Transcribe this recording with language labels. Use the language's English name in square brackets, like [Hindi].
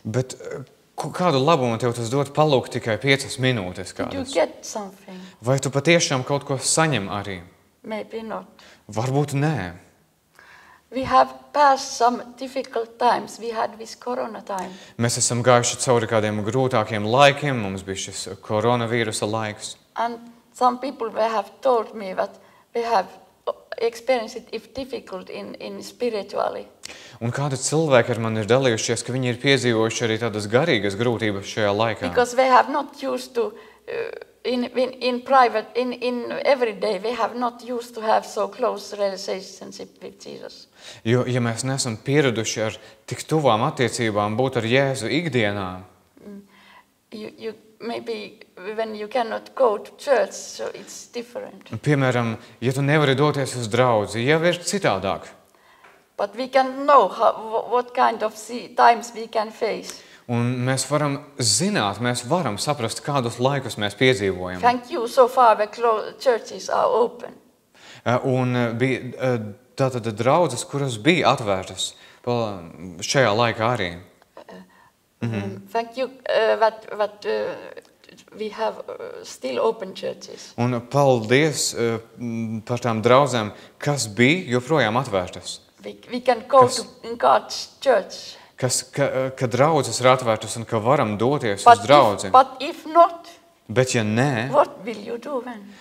[Latvian] Bet kādu labumu tev tas dot palūkt tikai 5 minūtes kādas? [English] Did you get something? [Latvian] Vai tu patiešām kaut ko saņem arī? [English] Maybe not. [Latvian] Varbūt nē. [English] We have passed some difficult times. We had this corona time. [Latvian] Mēs esam gājuši cauri kādiem grūtākiem laikiem. Mums bija šis koronavīrusa laiks. [English] And some people they have told me that they have experienced it if difficult in spiritually. [Latvian] Un kādi cilvēki ar mani ir dalījušies, ka viņi ir piedzīvojuši arī tādas garīgas grūtības šajā laikā. [English] Because they have not used to in private, in everyday, we have not used to have so close relationship with Jesus. [Latvian] Jo, ja mēs neesam pieraduši ar tik tuvām attiecībām būt ar Jēzu ikdienā. [English] You maybe when you cannot go to church, so it's different. [Latvian] Piemēram, ja tu nevari doties uz draudzi, jau ir citādāk. [English] But we can know what kind of times we can face. [Latvian] Un mēs varam zināt, mēs varam saprast, kādus laikus mēs piedzīvojam. [English] Thank you so far, the churches are open. [Latvian] Un bija tātad draudzes, kuras bija atvērtas šajā laikā arī. [English] Thank you that we have still open churches. [Latvian] Un paldies par tām draudzēm, kas bija joprojām atvērtas. [English] We can go to God's church. [Latvian] Ka draudzes ir atvērtas un ka varam doties uz draudzi. [English] But if not, [Latvian] bet ja nē, [English] what will you do then?